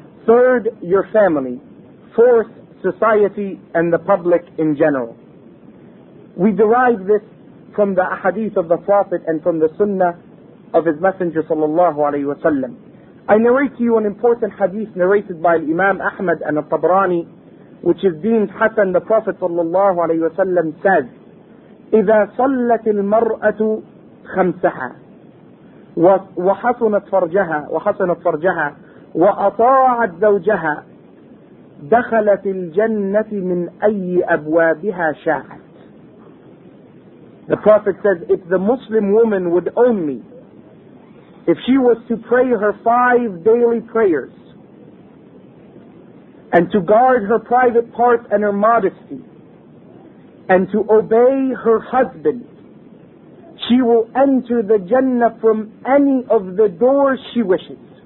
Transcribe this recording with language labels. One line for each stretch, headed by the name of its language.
English: Third, your family. Fourth, society and the public in general. We derive this from the ahadith of the Prophet and from the sunnah of His Messenger sallallahu alayhi wa sallam. I narrate to you an important hadith narrated by Imam Ahmad and al-Tabrani, which is deemed hasan. The Prophet sallallahu alayhi wa sallam says,
Arabic: إِذَا صَلَّتِ الْمَرْأَةُ خَمْسَهَا وَحَسُنَتْ فَرْجَهَا وَأَطَاعَتْ زَوْجَهَا دَخَلَتِ الْجَنَّةِ مِنْ أَيِّ أَبْوَابِهَا شَاءَتْ.
English: The Prophet says, if the Muslim woman would own me, if she was to pray her five daily prayers and to guard her private parts and her modesty, and to obey her husband, she will enter the Jannah from any of the doors she wishes.